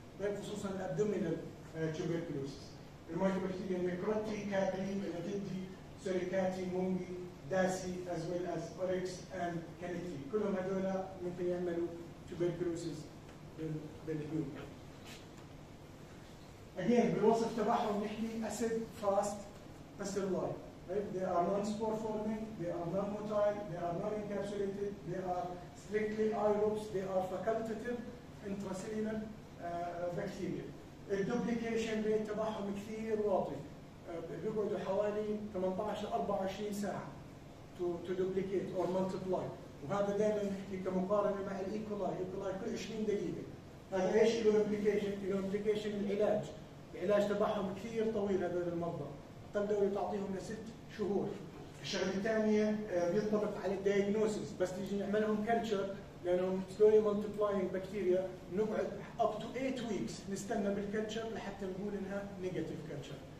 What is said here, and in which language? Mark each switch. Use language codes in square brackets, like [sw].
[ar] طيب خصوصا الابدومينال tuberculosis. المايكروبكتيريا ميكروتي كابري الاتدي سوريكاتي مونجي داسي [en] as well as [ar] اوريكس and كانيتي كلهم هذولا ممكن يعملوا tuberculosis بالهيوم. [en] again [ar] بالوصف تبعهم نحكي acid fast pastel light. [en] Right? They are non-spore forming, they are non-motile, they are non-encapsulated, they are strictly aerobes, they are facultative intracellular bacteria. The duplication rate [ar] تبعهم كثير واطي. بيقعدوا حوالي 18-24 ساعة [en] to duplicate or multiply. [ar] وهذا دائما نحكي كمقارنة مع الإي كولاي. الإي كولاي كل 20 دقيقة. هذا إيش الـ duplication؟ الـ duplication العلاج. العلاج تبعهم كثير طويل هذول المرضى. تبدأوا تعطيهم لست شهور. الشغلة الثانية بيطبق على الدياجنوسيس بس تيجي نعملهم كلتشر لأنهم [en] slowly multiplying [ar] بكتيريا نقعد [en] up to 8 weeks [ar] نستنى بالكلتشر لحتى نقول إنها نيجاتيف كلتشر.